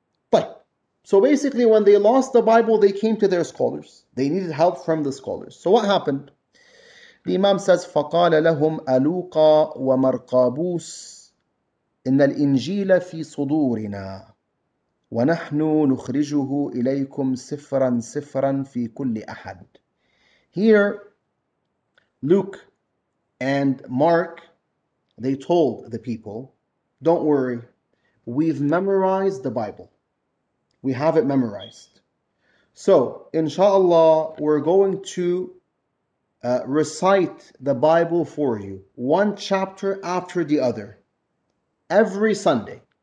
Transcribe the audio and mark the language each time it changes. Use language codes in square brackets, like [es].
[en] But, so basically when they lost the Bible, they came to their scholars. They needed help from the scholars. So what happened? The Imam says, [ar] فَقَالَ لَهُمْ أَلُوقَى وَمَرْقَابُوسِ إِنَّ الْإِنْجِيلَ فِي صُدُورِنَا وَنَحْنُ نُخْرِجُهُ إِلَيْكُمْ سِفْرًا سِفْرًا فِي كُلِّ أَحَدٍ. [en] Here, Luke and Mark, they told the people, don't worry, we've memorized the Bible. We have it memorized. So, inshallah, we're going to recite the Bible for you, one chapter after the other, every Sunday.